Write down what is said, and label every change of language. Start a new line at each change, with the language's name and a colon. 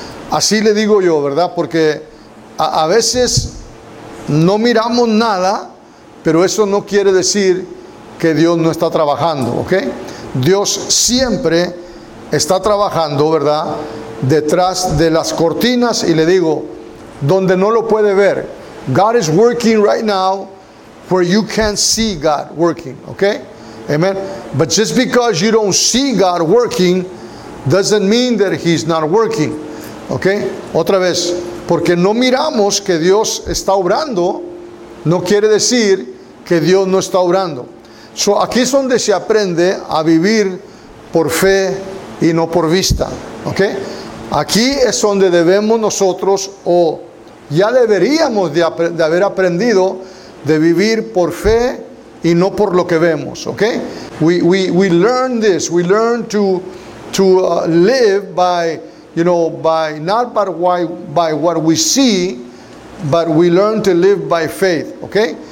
Spanish: Así le digo yo, ¿verdad? Porque a veces no miramos nada, pero eso no quiere decir que Dios no está trabajando, ¿ok? Dios siempre está trabajando, ¿verdad? Detrás de las cortinas, y le digo, donde no lo puede ver.
English: God is working right now where you can't see God working, ¿ok? Amen. But just because you don't see God working doesn't mean that He's not working. ¿Ok?
Spanish: Otra vez, porque no miramos que Dios está obrando, no quiere decir que Dios no está obrando. So, aquí es donde se aprende a vivir por fe y no por vista. ¿Ok? Aquí es donde debemos nosotros, o ya deberíamos de haber aprendido, de vivir por fe y no por lo que vemos, ¿ok?
English: We learn this. We learn to live by, you know, by not by why, by what we see, but we learn to live by faith, ¿ok?